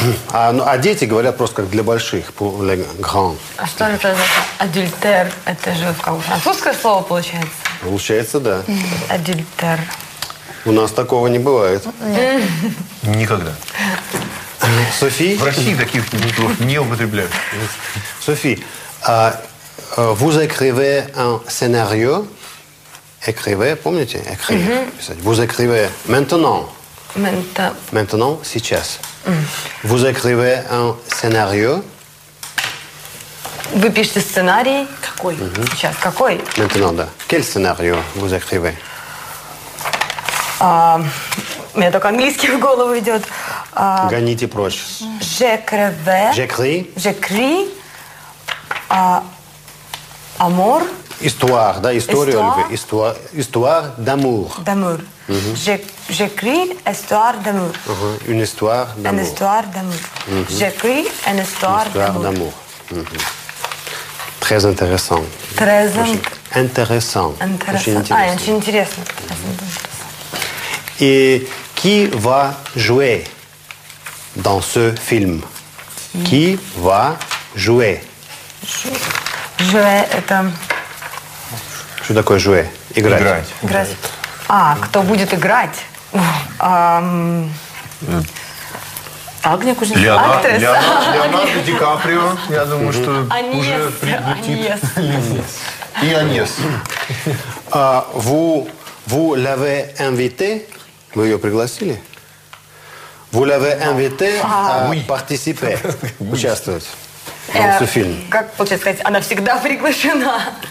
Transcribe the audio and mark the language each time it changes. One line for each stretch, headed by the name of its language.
Russian: А дети говорят просто как для больших,
French: pour les grands.
Russian: А что это за адюльтер? Это же французское слово получается. Получается, да. Адюльтер. У нас такого не бывает. Нет. Никогда. Софи? В России таких слов не употребляют.
French: Софи, vous écrivez un scénario. Écrivez,
Russian: помните?
French: Écrivez. Mm-hmm. Vous écrivez maintenant. Maintenant,
Russian: сейчас.
French: Vous écrivez un scénario.
Russian: Вы пишете сценарий. Какой? Mm-hmm. Сейчас. Какой?
French: Maintenant, да. Quel scénario vous écrivez?
Russian: У меня только английский в голову идет. Гоните прочь.
French: J'écrivais. J'écris. J'écris. Amour.
Russian: Histoire, да, история любви.
French: Histoire d'amour. D'amour. J'écris histoire d'amour. Une histoire d'amour. Une histoire d'amour. J'écris une histoire d'amour. Histoire d'amour. Très intéressant. Très intéressant. Intéressant. Et qui va jouer dans ce film? Qui va jouer? Jouer, c'est...
Russian: Что такое «jouer»? Играть. Играть. А, кто будет играть? Агния Кузнецова. Леонардо Ди Каприо, я думаю, что Аньес. Уже прилетит. Аньес. И Аньес.
French: Vous l'avez invité?
Russian: Вы ее пригласили?
French: Vous l'avez invité participer?
Russian: Участвовать в этом фильме. Как получается сказать, она всегда приглашена?